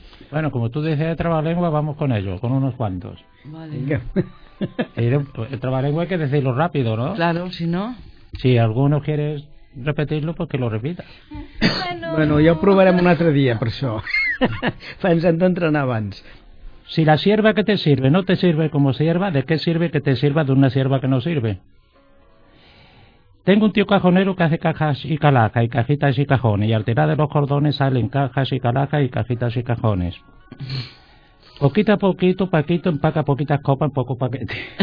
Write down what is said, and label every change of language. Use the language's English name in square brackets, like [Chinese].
[Spanish] Bueno, como tú dices de trabalengua, vamos con ello, con unos cuantos. Vale. El trabalengua hay que decirlo rápido, ¿no? Claro, si no... Si alguno quieres... [Catalan] Repetir-lo perquè lo repita. Bueno, ja ho provarem un altre dia, per això. Ens hem d'entrenar abans. [Spanish] Si la sierva que te sirve no te sirve como sierva, ¿de qué sirve que te sirva de una sierva que no sirve? Tengo un tío cajonero que hace cajas y calajas y cajitas y cajones, y al tirar de los cordones salen cajas y calajas y cajitas y cajones. Poquito a poquito, paquito, empaca poquitas copas, poco paquete.